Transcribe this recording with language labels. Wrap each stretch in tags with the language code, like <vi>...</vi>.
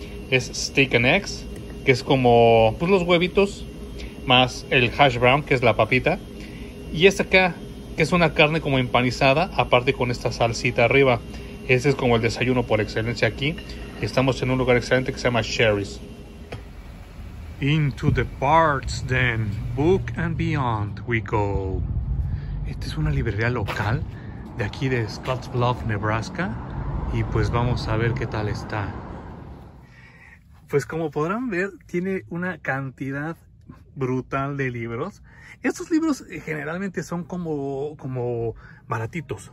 <es>Es steak and eggs, que es como pues, los huevitos, más el hash brown, que es la papita. Y esta acá, que es una carne como empanizada, aparte con esta salsita arriba. Este es como el desayuno por excelencia aquí. Estamos en un lugar excelente que se llama Sherry's.</es> <en>Into the parts then, book and beyond we go.</en> <es>Esta es una librería local de aquí de Scotts Bluff, Nebraska. Y pues vamos a ver qué tal está. Pues como podrán ver, tiene una cantidad brutal de libros. Estos libros generalmente son como baratitos.</es>